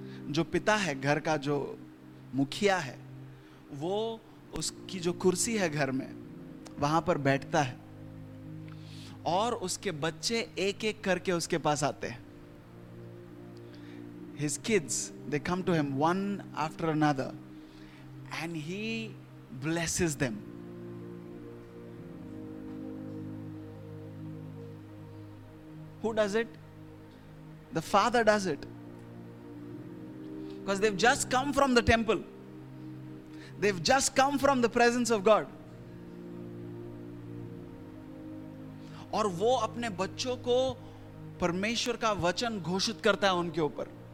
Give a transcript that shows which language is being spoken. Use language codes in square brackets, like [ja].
[hi] जो पिता है घर का, जो मुखिया है, वो उसकी जो कुर्सी है घर में वहां पर बैठता है, और उसके बच्चे एक एक करके उसके पास आते हैं. [en] His kids, they come to him one after another, and he blesses them. Who does it? The father does it. Because they've just come from the temple. They've just come from the presence of God. [hi] और वो अपने बच्चों को परमेश्वर का वचन घोषित करता है उनके ऊपर.